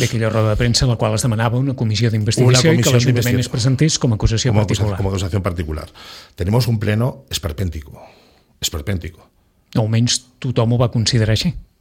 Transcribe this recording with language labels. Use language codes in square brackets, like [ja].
[es] De aquella rueda de prensa [ca] en la qual es demanava una comissió d'investigació i que l'Ajuntament es presentés com a acusació particular. [es] Tenemos un pleno esperpèntico. [ca] No, almenys tothom ho va considerar així.